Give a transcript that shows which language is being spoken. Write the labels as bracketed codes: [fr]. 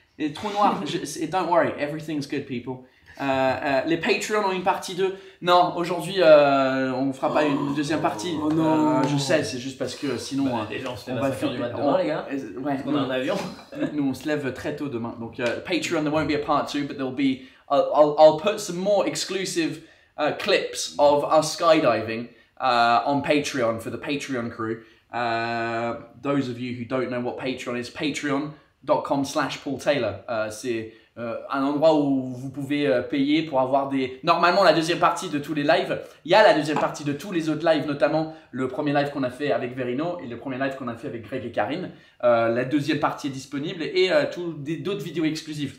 [en] It's [fr] trop noir, [en] don't worry, everything's good, people. [fr] Les Patreons ont une partie 2. Non, aujourd'hui, on fera pas une deuxième partie. Oh non, je sais, c'est juste parce que sinon... Bah, déjà, on se lève à 5h du matin demain, les gars. Ouais, on a un avion. Nous, on se lève très tôt demain. [en] Donc, Patreon, there won't be a part 2, but there'll be... I'll put some more exclusive clips of us skydiving on Patreon for the Patreon crew. Those of you who don't know what Patreon is, patreon.com/PaulTaylor. [fr] C'est un endroit où vous pouvez payer pour avoir des... Normalement, la deuxième partie de tous les lives, il y a la deuxième partie de tous les autres lives, notamment le premier live qu'on a fait avec Verino et le premier live qu'on a fait avec Greg et Karine. La deuxième partie est disponible et d'autres vidéos exclusives.